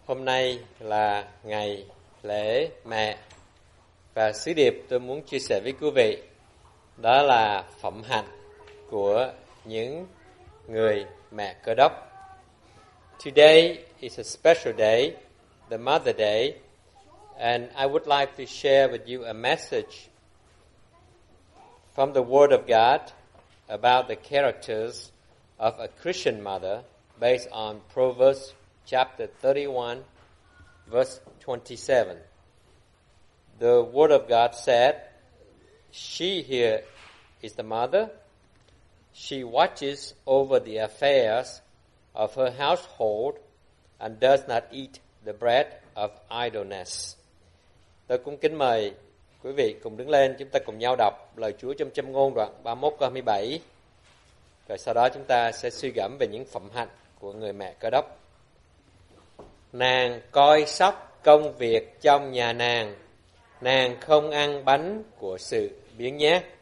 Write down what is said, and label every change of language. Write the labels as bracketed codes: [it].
[vi] Hôm nay là ngày lễ mẹ, và sứ điệp tôi muốn chia sẻ với quý vị đó là phẩm hạnh của những người mẹ Cơ Đốc. [en] Today is a special day, the Mother Day, and I would like to share with you a message from the Word of God about the characters of a Christian mother based on Proverbs chapter 31, verse 27. The Word of God said, "She here is the mother. She watches over the affairs of her household and does not eat the bread of idleness." [vi] Tôi cũng kính mời quý vị cùng đứng lên, chúng ta cùng nhau đọc lời Chúa trong Châm Ngôn đoạn 31 câu 27. Rồi sau đó chúng ta sẽ suy gẫm về những phẩm hạnh của người mẹ Cơ Đốc. Nàng coi sóc công việc trong nhà nàng, nàng không ăn bánh của sự biếng nhác.